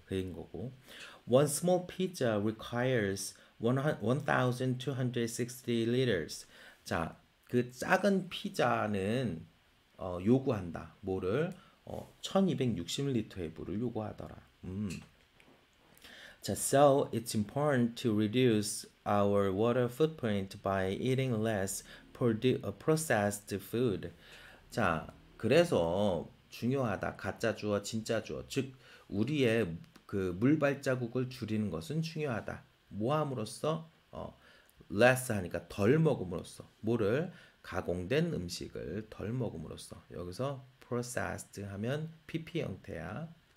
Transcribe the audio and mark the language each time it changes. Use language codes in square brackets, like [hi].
[ko] 그인 거고. [en] One small pizza requires 1260 liters. [ko] 자, 그 작은 피자는 요구한다. 뭐를? 1260리터의 물을 요구하더라. [en] So it's important to reduce our water footprint by eating less processed food. [ko] 자, 그래서 중요하다. 가짜 주어, 진짜 주어. 즉, 우리의 그 물 발자국을 줄이는 것은 중요하다. 뭐 함으로써? less 하니까 덜 먹음으로써. 뭐를? 가공된 음식을 덜 먹음으로써. 여기서 processed 하면 PP 형태야.